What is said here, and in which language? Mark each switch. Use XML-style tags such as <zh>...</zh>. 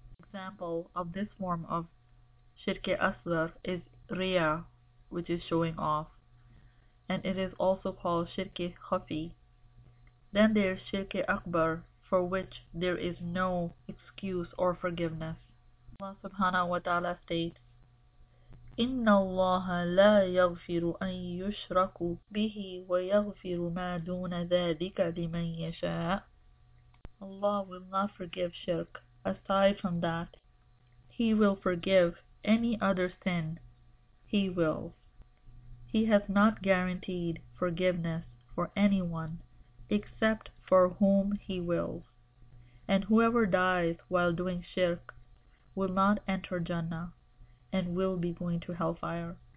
<en>Example of this form of shirk-e-asghar is Riya, which is showing off, and it is also called shirki khafi. Then there is shirki akbar, for which there is no excuse or forgiveness.</en> <ar>Allah subhanahu wa ta'ala states, إِنَّ اللَّهَ لَا يَغْفِرُ أَن يُشْرَكُ بِهِ وَيَغْفِرُ مَا دُونَ ذَٰلِكَ لِمَن يَشَاءُ.</ar> <en>Allah will not forgive shirk. Aside from that, He will forgive any other sin He wills. He has not guaranteed forgiveness for anyone except for whom He wills. And whoever dies while doing shirk will not enter Jannah and will be going to hellfire.</en>